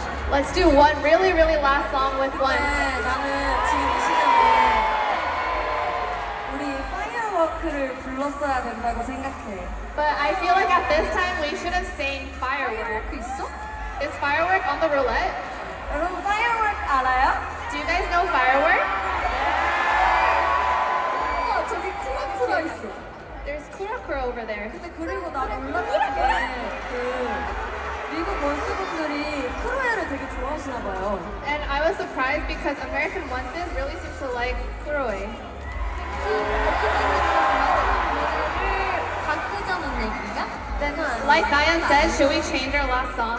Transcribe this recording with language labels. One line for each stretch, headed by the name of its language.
English: Let's do one really, really last song with one.
Korean: 네, 나는 지금 이 시간에 우리 파이어워크를 불렀어야 된다고 생각해.
English: But I feel like at this time we should have sang firework.
Korean: 있어?
English: Is firework on the roulette?
Korean: 여러분, firework 알아요?
English: Do you guys know firework? Yeah.
Korean: 우와, 저기 쿠라쿠라 있어.
English: There's Kurakura over there.
Korean: 근데 그리고 나 놀랐던 게 미국 원스분들이 크루에를 되게 좋아하시나 봐요.
English: And I was surprised because American onces really seem to like 크루에.
Korean: 바꾸자는 얘기인가?
English: Like Nayeon said, should we change our last song?